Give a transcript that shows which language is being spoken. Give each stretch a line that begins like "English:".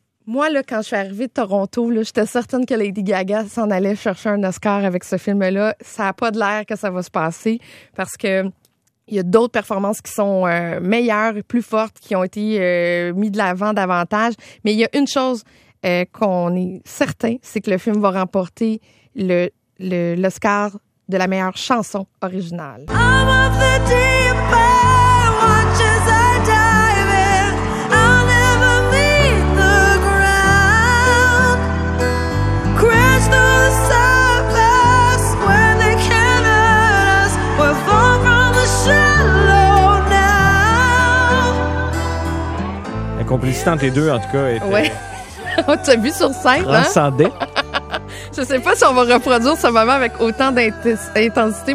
French: Moi, là, quand je suis arrivée de Toronto, là, j'étais certaine que Lady Gaga s'en allait chercher un Oscar avec ce film-là. Ça n'a pas de l'air que ça va se passer parce que Il y a d'autres performances qui sont meilleures, plus fortes, qui ont été mises de l'avant davantage. Mais il y a une chose qu'on est certain, c'est que le film va remporter l'Oscar de la meilleure chanson originale.
English: I'm off the deep end, watch as I dive in. I'll never meet the ground. Crash the surface when they can't hurt us. We'll fall from the shallow now.
French: La complicité entre les deux, en tout cas, était... Ouais. Tu as vu sur scène, transcendé. Hein? Je sais pas si on va reproduire ce moment avec autant d'intensité.